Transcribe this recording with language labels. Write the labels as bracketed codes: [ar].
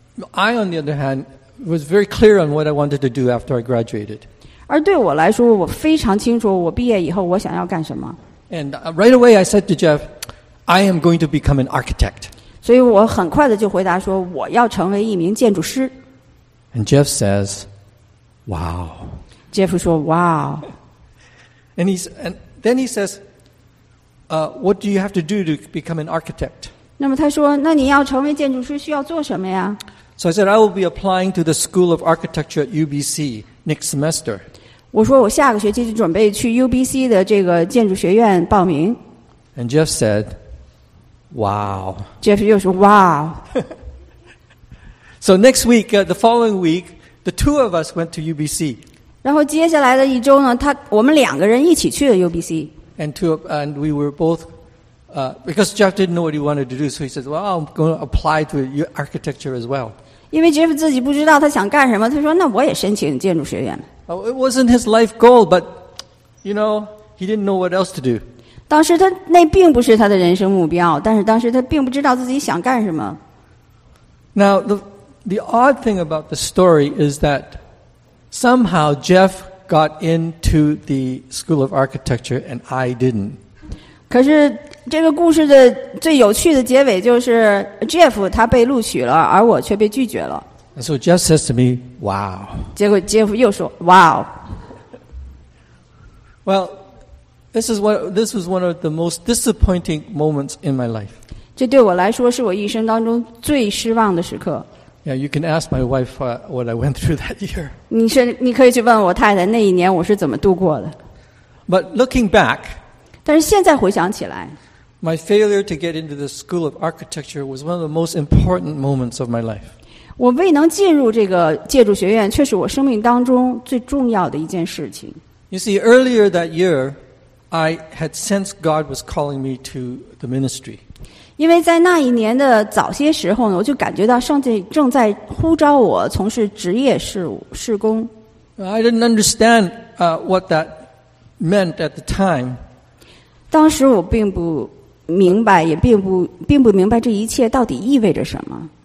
[en] I, on the other hand, was very clear on what I wanted to do after I graduated. [zh] 而对我来说，我非常清楚我毕业以后我想要干什么。 [en] And right away, I said to Jeff, "I am going to become an architect." [zh] 所以我很快的就回答说，我要成为一名建筑师。 [en] And Jeff says, "Wow." [zh] Jeff 说 "Wow." [en] And then he says, "What do you have to do to become an architect?" [zh] 那么他说，那你要成为建筑师需要做什么呀？ [en] So I said, I will be applying to the School of Architecture at UBC next semester. [zh] 我说我下个学期就准备去 UBC 的这个建筑学院报名。 [en] And Jeff said, wow. [zh] Jeff 又说 wow. [en] So next week, the following week, the two of us went to UBC. [zh] 然后接下来的一周呢，我们两个人一起去了 UBC. [en] And we were both... because Jeff didn't know what he wanted to do, so he said, "Well, I'm going to apply to architecture as well." [zh] 因为 Jeff 自己不知道他想干什么，他说：“那我也申请建筑学院。” [en] It wasn't his life goal, but you know, he didn't know what else to do. [zh] 当时他那并不是他的人生目标，但是当时他并不知道自己想干什么。 [en] Now the odd thing about the story is that somehow Jeff got into the School of Architecture and I didn't. [zh] 可是这个故事的最有趣的结尾就是 Jeff 他被录取了，而我却被拒绝了。 [en] And so Jeff says to me, "Wow." [zh] 结果 Jeff 又说 "Wow." [en] Well, this was one of the most disappointing moments in my life. [zh] 这对我来说是我一生当中最失望的时刻。 [en] Yeah, you can ask my wife what I went through that year. [zh] 你可以去问我太太那一年我是怎么度过的。 [en] But looking back. [zh] 但是现在回想起来 [en] ，My failure to get into the School of Architecture was one of the most important moments of my life. [zh] 我未能进入这个建筑学院，却是我生命当中最重要的一件事情。 [en] You see, earlier that year, I had sensed God was calling me to the ministry. [zh] 因为在那一年的早些时候呢，我就感觉到上帝正在呼召我从事职业事工。 [en] I didn't understand what that meant at the time. [zh] 当时我并不明白，也并不明白这一切到底意味着什么。